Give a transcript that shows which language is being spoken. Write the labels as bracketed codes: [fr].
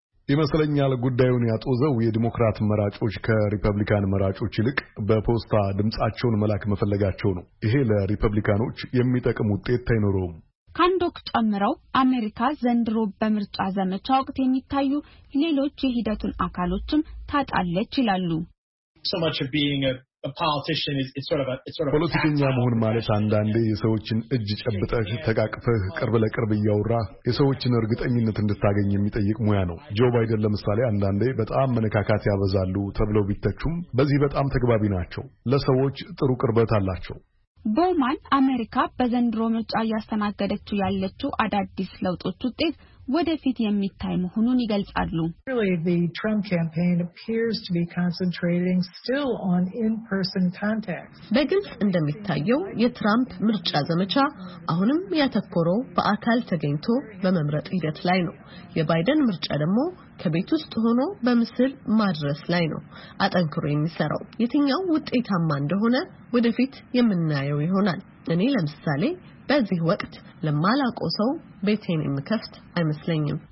[am] ይመስለኛል ጉዳዩን ያጦዘው የዲሞክራት መራጮች ከሪፐብሊካን መራጮች ይልቅ በፖስታ ድምጻቸውን መላክ መፈለጋቸው ነው። ይሄ ለሪፐብሊካኖች የሚጠቅም ውጤት አይኖረውም። ካንዶክ ጠምረው አሜሪካ ዘንድሮ በመርጫ ዘመቻ ወቅት የሚታዩ ሌሎች የሂደቱን አካሎችም ታጣለች ይላሉ። [en] So much of being a politician is it's sort of [am] ፖለቲከኛ መሆን ማለት አንዳንዴ የሰዎችን እጅ ጨብጠህ ተቃቅፈህ ቅርብ ለቅርብ ያውራ የሰዎችን እርግጠኝነት እንድታገኝ የሚጠይቅ ሙያ ነው። ጆ ባይደን ለምሳሌ አንዳንዴ በጣም መነካካት ያበዛሉ ተብለው ቢተቹም በዚህ በጣም ተግባቢ ናቸው። ለሰዎች ጥሩ ቅርበት አላቸው። ቦማን አሜሪካ በዘንድሮ ምርጫ ያስተናገደችው ያለችው አዳዲስ ለውጦች ውጤት ወደፊት የሚታይ መሆኑን ይገልጻሉ። [en] Really, the Trump campaign appears to be concentrating still on in-person contacts. [am] በግልጽ እንደሚታየው የትራምፕ ምርጫ ዘመቻ አሁንም ያተኮረው በአካል ተገኝቶ በመምረጥ ሂደት ላይ ነው። የባይደን ምርጫ ደግሞ ከቤት ውስጥ ሆኖ በመስል ማድረስ ላይ ነው አጠንክሮ የሚሰራው። የትኛው ውጤታማ እንደሆነ ወደፊት የምናየው ይሆናል። እኔ ለምሳሌ በዚህ ወቅት ለማላቆ ሰው ቤቴን የምከፍት አይመስለኝም።